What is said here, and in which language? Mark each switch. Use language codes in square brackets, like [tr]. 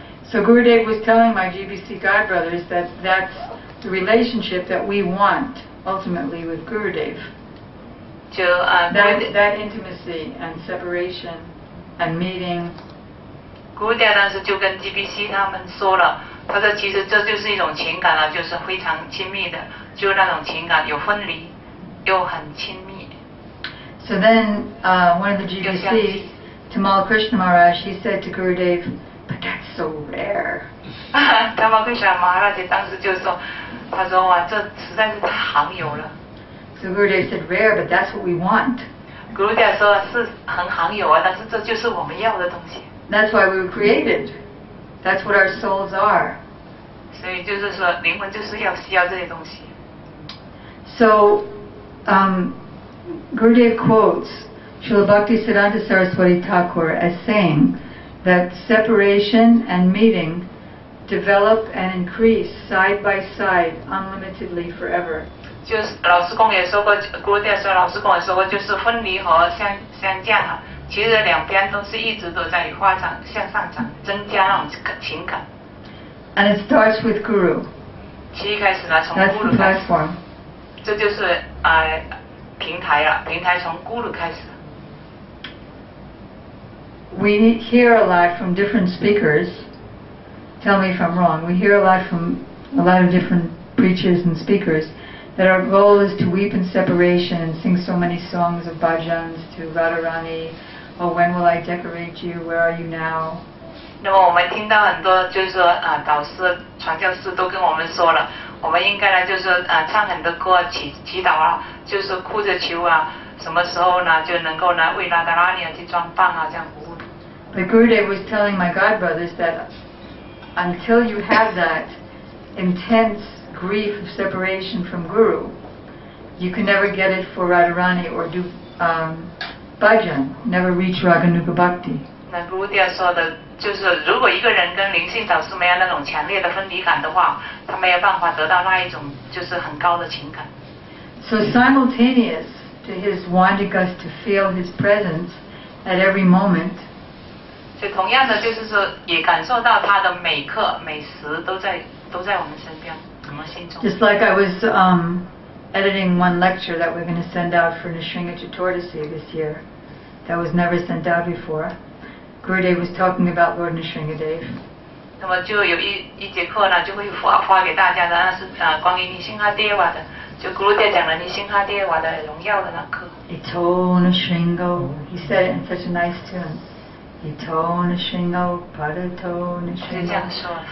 [en] So Gurudev was telling my GBC God brothers that that's the relationship that we want ultimately with Gurudev. That intimacy and separation and meeting. [zh] Gurudev 当时就跟 GBC 他们说了，他说其实这就是一种情感啊，就是非常亲密的，就那种情感有分离。 [en] So then one of the GBCs, Tamal Krishna Maharaj, he said to Gurudev, but that's so rare. [zh] Tamal Krishna Maharaj 当时就说他说哇这实在是太罕有了。 [en] So Gurudev said, rare, but that's what we want. [zh] Gurudev 说是很罕有啊但是这就是我们要的东西。 [en] That's why we were created. That's what our souls are. [zh] 所以就是说灵魂就是要需要这些东西。 [en] So,Gurudev quotes Srila Bhaktisiddhanta Saraswati Thakur as saying that separation and meeting develop and increase side by side unlimitedly forever. [zh] 就是老师公也说过 Gurudev 说老师公也说过就是分离和 相见、啊、其实两边都是一直都在发展向上涨增加那种情感。 [en] And it starts with Guru. [zh] 其实一开始呢从 Guru 开始这就是平台了平台从咕噜开始。 [en] We hear a lot from different speakers. Tell me if I'm wrong. We hear a lot from a lot of different preachers and speakers that our goal is to weep in separation and sing so many songs of bhajans to Radharani. Oh, when will I decorate you? Where are you now? [zh] 那么我们听到很多就是说导师传教士都跟我们说了我们应该呢，就是唱很多歌祈祷啊，就是哭着求啊，什么时候呢就能够呢为拉达拉尼去装扮啊，这样服务。 [en] But Gurudev was telling my God brothers that until you have that intense grief of separation from Guru, you can never get it for Radharani or do bhajan, never reach Raghunuga Bhakti. [zh] 那 Gurudev 说的。就是如果一个人跟灵性导师没有那种强烈的分离感的话他没有办法得到那一种就是很高的情感。 [en] So simultaneous to his wanting us to feel his presence at every moment. [zh] 所以同样的就是说也感受到他的每刻每时都在我们身边我们心中。 [en] Just like I was editing one lecture that we're going to send out for Nisringa Chaturdasi this year that was never sent out before. Gurudev was talking about Lord Nisringadev. [zh] 那么就有一节课呢，就会发给大家的，那是关于尼辛哈爹瓦的，就 Gurudev 讲了尼辛哈爹瓦的荣耀的那课。 [en] He told Nisringo, he said it in such a nice tune. Itonishino, Padatonishino,